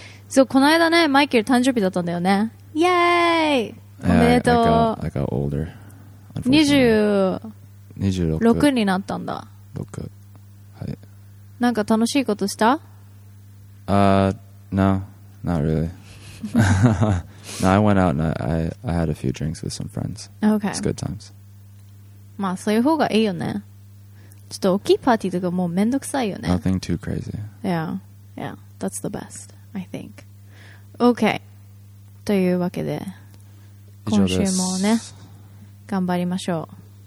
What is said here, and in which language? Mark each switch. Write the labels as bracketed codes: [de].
[ja] そう、この間ね、マイケル誕生日だったんだよね。イエーイ、おめでとう。 [en] I got older. 26 [ja] になったんだ。僕、はい。なんか楽しいことした？ [en] No, not really. No, I went out and I had a few drinks with some friends. Okay. It's good times. [ja] まあそういう方がいいよね。ちょっと大きいパーティーとかもうめんどくさいよね。 [en] Nothing too crazy. Yeah, yeah, that's the best, I think. Okay. [ja] というわけで今週もね頑張りましょう。